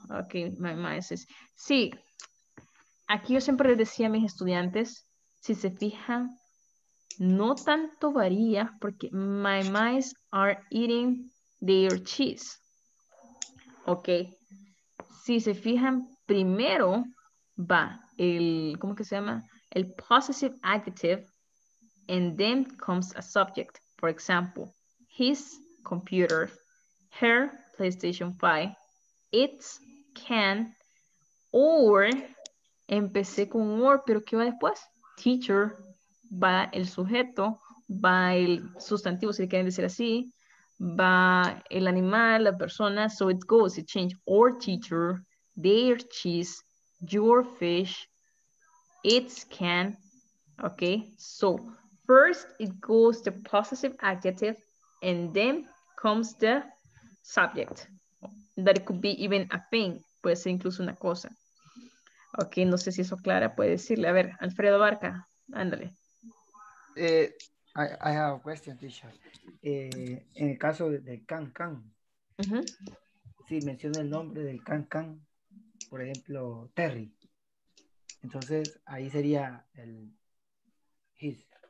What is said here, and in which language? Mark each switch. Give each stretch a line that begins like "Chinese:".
Spanish: Ok, my maestros. Sí, aquí yo siempre les decía a mis estudiantes, si se fijan, no tanto varía porque
English: my mice are eating their cheese.
Spanish: Ok. Si se fijan, primero va el, ¿cómo que se llama?
English: El possessive adjective and then comes a subject. For example, his computer, her PlayStation 5, its can, or
Spanish: empecé con or, pero ¿qué va después? Teacher, va el sujeto, va el sustantivo, si quieren decir así, va el animal, la persona,
English: so it goes, it changes, or teacher, their cheese, your fish, its can, okay? So, first it goes the possessive adjective, and then comes the subject. That it could be even a thing,
Spanish: puede ser incluso una cosa. Ok, no sé si eso Clara puede decirle. A ver, Alfredo Barca, ándale.
English: I have a question, Tisha.
Spanish: En el caso del can-can, si menciona el nombre del can-can, por ejemplo, Terry, entonces ahí sería el his.